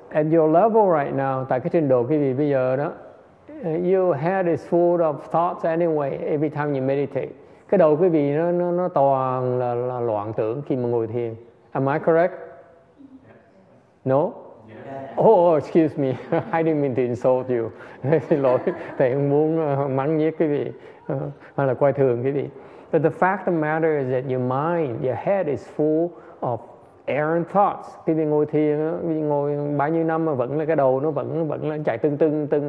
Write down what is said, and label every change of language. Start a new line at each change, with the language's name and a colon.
English: at your level right now,
Vietnamese: tại cái trình độ quý vị bây giờ đó,
English: your head is full of thoughts anyway every time you meditate.
Vietnamese: Cái đầu quý vị nó toàn là loạn tưởng khi mà ngồi thiền.
English: Am I correct? No? Oh, excuse me. I didn't mean to insult you.
Vietnamese: Xin lỗi. Thầy không muốn mắng nhiếc quý vị. Hay là coi thường quý vị.
English: But the fact of the matter is that your mind, your head is full of errant thoughts.
Vietnamese: Quý vị ngồi thiền, quý vị ngồi bao nhiêu năm mà vẫn là cái đầu nó vẫn là chạy tưng.